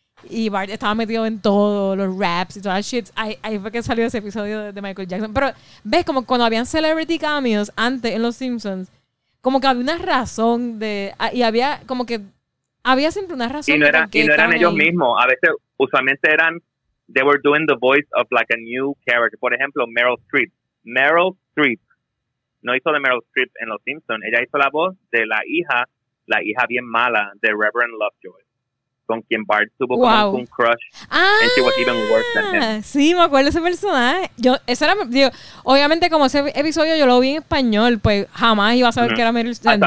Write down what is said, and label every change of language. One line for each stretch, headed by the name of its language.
Spanish: Y Bart estaba metido en todo, los raps y todas las shits. Ahí fue que salió ese episodio de Michael Jackson. Pero, ¿ves? Como cuando habían celebrity cameos antes en Los Simpsons, como que había una razón de... Y había como que... Había siempre una razón. Y no, era, y no eran ellos ahí mismos. A veces, usualmente eran...
English: They were doing the voice of like a new character.
Spanish: Por ejemplo, Meryl Streep. Meryl Streep. No hizo de Meryl Streep en Los Simpsons. Ella hizo la voz de la hija bien mala de Reverend Lovejoy, con quien Bart tuvo como un crush. Ah,
English: and she was even worse than him.
Spanish: Sí, me acuerdo de ese personaje. Yo, esa era, digo, obviamente, como ese episodio yo lo vi en español, pues jamás iba a saber que era Meryl Streep.